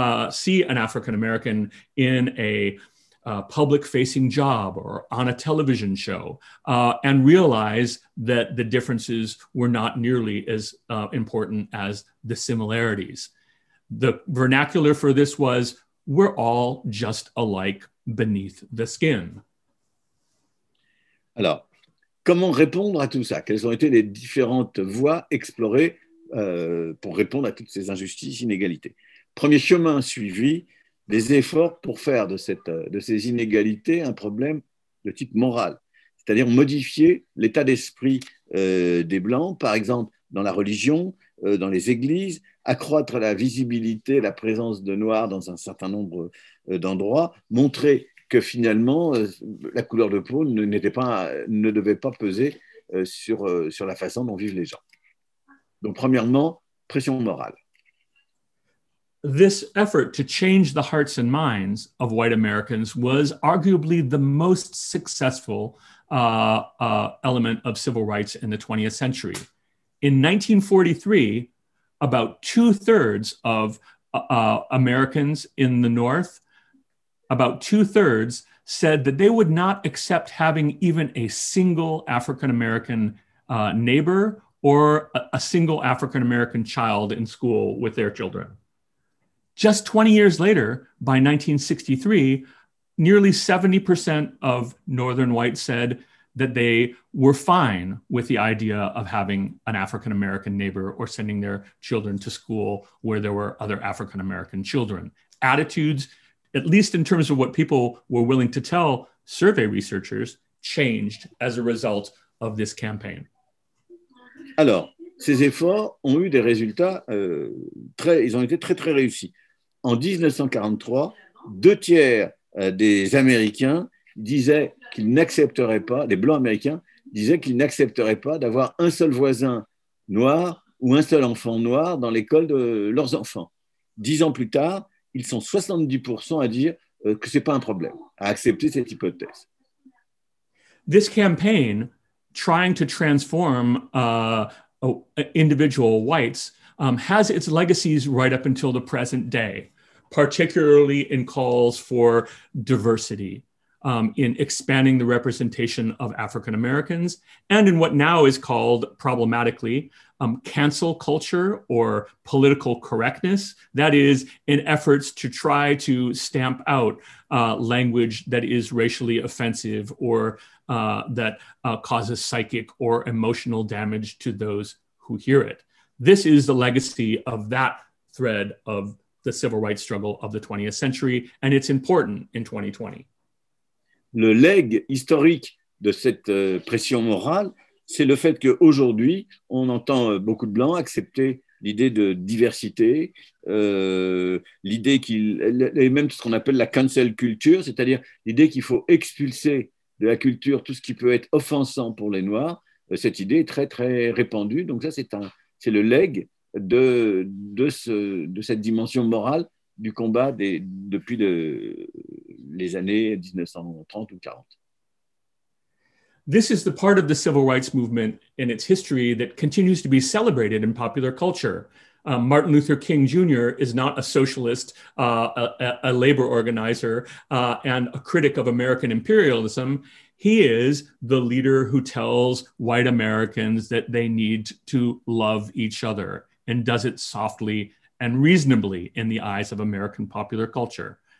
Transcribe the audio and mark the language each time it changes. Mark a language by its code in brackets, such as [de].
[en] see an African American in a public-facing job or on a television show, and realize that the differences were not nearly as important as the similarities. The vernacular for this was, we're all just alike beneath the skin. [fr] Alors, comment répondre à tout ça? Quelles ont été les différentes voies explorées pour répondre à toutes ces injustices, inégalités? Premier chemin suivi, des efforts pour faire de ces inégalités un problème de type moral, c'est-à-dire modifier l'état d'esprit des Blancs, par exemple dans la religion, dans les églises, accroître la visibilité, la présence de Noirs dans un certain nombre d'endroits, montrer que finalement la couleur de peau ne devait pas peser sur la façon dont vivent les gens. Donc premièrement, pression morale. [en] This effort to change the hearts and minds of white Americans was arguably the most successful element of civil rights in the 20th century. In 1943, about two-thirds of Americans in the North, about two-thirds said that they would not accept having even a single African-American neighbor or a single African-American child in school with their children. Just 20 years later, by 1963, nearly 70% of Northern whites said that they were fine with the idea of having an African-American neighbor or sending their children to school where there were other African-American children. Attitudes, at least in terms of what people were willing to tell survey researchers, changed as a result of this campaign. [fr] Alors, ces efforts ont eu des résultats ils ont été très, très réussis. En 1943, deux tiers des Américains disaient qu'ils n'accepteraient pas, des Blancs américains disaient qu'ils n'accepteraient pas d'avoir un seul voisin noir ou un seul enfant noir dans l'école de leurs enfants. 10 ans plus tard, ils sont 70% à dire que ce n'est pas un problème, à accepter cette hypothèse. [en] This campaign trying to transform individual whites has its legacies right up until the present day, particularly in calls for diversity, in expanding the representation of African Americans, and in what now is called problematically cancel culture or political correctness, that is, in efforts to try to stamp out language that is racially offensive or that causes psychic or emotional damage to those who hear it. This is the legacy of that thread of the civil rights struggle of the 20th century, and it's important in 2020. [fr] Le legs historique de cette pression morale, c'est le fait qu'aujourd'hui, on entend beaucoup de Blancs accepter l'idée de diversité, l'idée qu'il et même ce qu'on appelle la cancel culture, c'est-à-dire l'idée qu'il faut expulser de la culture tout ce qui peut être offensant pour les Noirs. Cette idée est très, très répandue. Donc ça, c'est le legs de cette dimension morale du combat depuis les années 1930 ou 40. [en] This is the part of the civil rights movement in its history that continues to be celebrated in popular culture. Martin Luther King Jr. is not a socialist, a labor organizer, and a critic of American imperialism. He is the leader who tells white Americans that they need to love each other and does it softly and reasonably in the eyes of American popular culture.